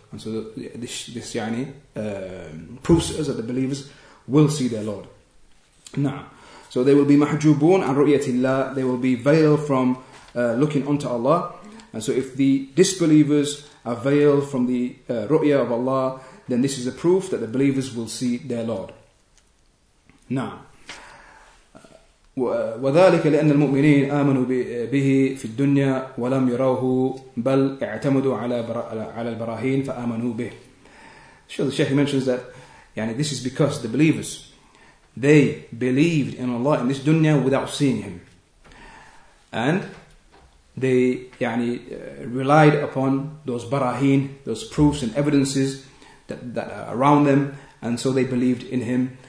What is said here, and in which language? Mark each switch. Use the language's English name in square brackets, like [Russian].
[English] And so this يعني, proves to us that the believers will see their Lord. Now, so they will be mahjubun and ru'yatillah, they will be veiled from looking unto Allah. And so if the disbelievers are veiled from the ru'yah of Allah, then this is a proof that the believers will see their Lord. [Arabic] Now, وذلك لأن المؤمنين آمنوا به في الدنيا ولم يروه بل اعتمدوا على البراهين فآمنوا به. [English] So the Shaykh mentions that يعني, this is because the believers, they believed in Allah in this dunya without seeing him, and they يعني, relied upon those barahin, those proofs and evidences that are around them, and so they believed in him.